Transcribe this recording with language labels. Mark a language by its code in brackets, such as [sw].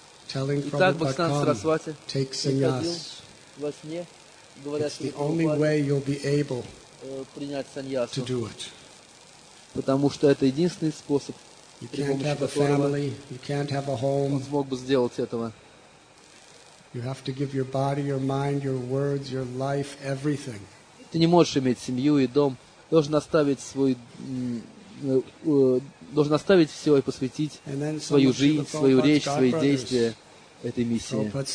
[ru] Итак, Бхактисиддханта Сарасвати приходил во сне, говоря, что можете принять саньясу. Потому что это единственный способ, при помощи которого он смог бы сделать этого. [en] You have to give your body, your mind, your words, your life, everything. [ru] Ты не можешь иметь семью и дом. Должен оставить свой, должен оставить все и посвятить свою жизнь, свою речь, свои действия этой миссии.